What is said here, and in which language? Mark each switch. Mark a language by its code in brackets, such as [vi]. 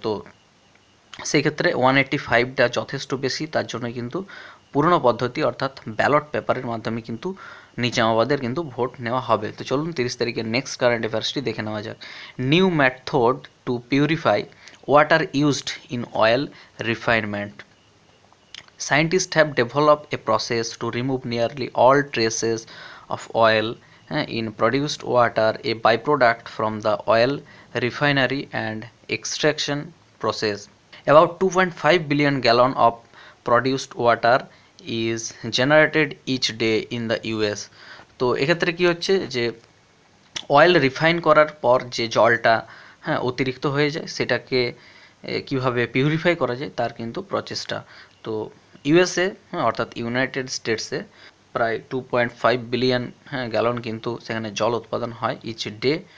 [bn] তো সেক্ষেত্রে 185টা যথেষ্ট বেশি, তার জন্যই কিন্তু পুরনো পদ্ধতি অর্থাৎ ব্যালট পেপারের মাধ্যমে কিন্তু নিজামাবাদের কিন্তু ভোট নেওয়া হবে। তো চলুন 30 তারিখের নেক্সট কারেন্ট অ্যাফেয়ার্সটি দেখে নেওয়া যাক। [en] New method to purify water used in oil refinement. Scientists have developed a process to remove nearly all traces of oil in produced water, a byproduct from the oil refinery and extraction process. About 2.5 billion gallon of produced water is generated each day in the US. [bn] তো এক্ষেত্রে কী হচ্ছে যে oil refine করার পর যে জলটা, হ্যাঁ, অতিরিক্ত হয়ে যায় সেটাকে কীভাবে পিউরিফাই করা যায় তার কিন্তু প্রচেষ্টা। তো ইউএসএ অর্থাৎ ইউনাইটেড স্টেটসে প্রায় 2.5 বিলিয়ন, হ্যাঁ, গ্যালন কিন্তু সেখানে জল উৎপাদন হয় ইচ ডে।